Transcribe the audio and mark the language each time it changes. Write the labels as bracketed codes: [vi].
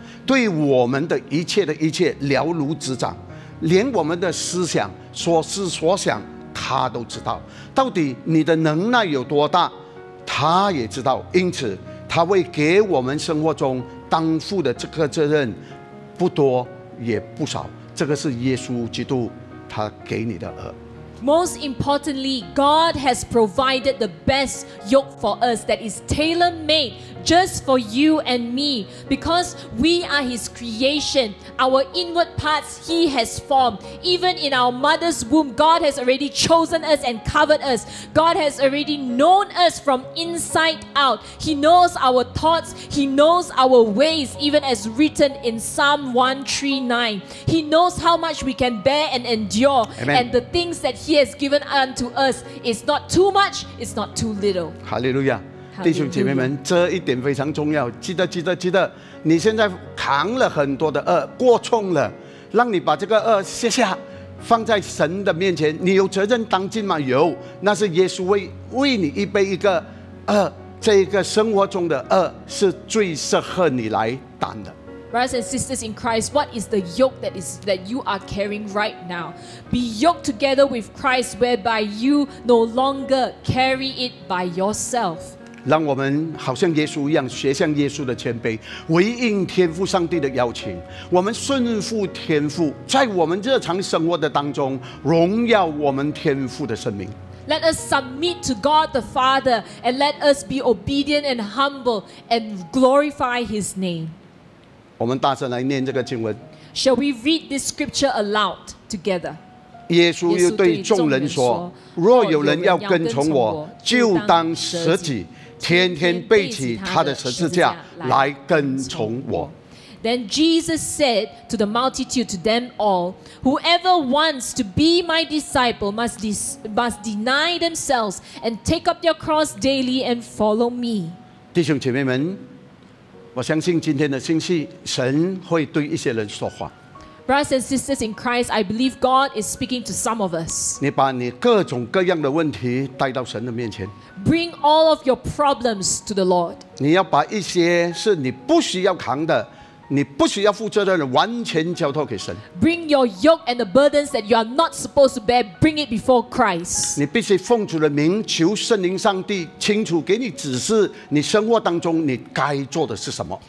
[zh] 对我们的一切的一切了如指掌，连我们的思想所思所想他都知道，到底你的能耐有多大他也知道，因此他为给我们生活中担负的这个责任不多也不少，这个是耶稣基督他给你的轭。 [en] Most importantly, God has provided the best yoke for us that is tailor-made just for you and me. Because we are His creation. Our inward parts He has formed. Even in our mother's womb, God has already chosen us and covered us. God has already known us from inside out. He knows our thoughts. He knows our ways, even as written in Psalm 139. He knows how much we can bear and endure. Amen. And the things that He has given unto us is not too much, it's not too little. Hallelujah. [zh] 弟兄姐妹们，这一点非常重要，记得记得记得，你现在扛了很多的轭，过重了，让你把这个轭卸下，放在神的面前，你有责任当尽吗？有，那是耶稣 为你预备一个轭，这个生活中的轭是最适合你来担的。 [en] Brothers and sisters in Christ, what is the yoke that you are carrying right now? Be yoked together with Christ, whereby you no longer carry it by yourself. [zh] 让我们好像耶稣一样，学像耶稣的谦卑，回应天父上帝的邀请。我们顺服天父，在我们日常生活的当中，荣耀我们天父的圣名。 [en] Let us submit to God the Father, and let us be obedient and humble, and glorify His name. [zh] 我们大声来念这个经文。 [en] Shall we read this scripture aloud together? [zh] 耶稣又对众人说，若有人要跟从我，就当舍己，天天背起他的十字架来跟从我。 [en] Then Jesus said to the multitude, to them all, whoever wants to be my disciple must deny themselves and take up their cross daily and follow me. [zh] 弟兄姐妹们，我相信今天的信息，神会对一些人说话。 [en] Brothers and sisters in Christ, I believe God is speaking to some of us. [zh] 你把你各种各样的问题带到神的面前。 [en] Bring all of your problems to the Lord. [zh] 你要把一些是你不需要扛的，你不需要负责任的，完全交托给神。 [en] Bring your yoke and the burdens that you are not supposed to bear, bring it before Christ. [zh] 你必须奉主的名求圣灵上帝清楚给你指示，你生活当中你该做的是什么。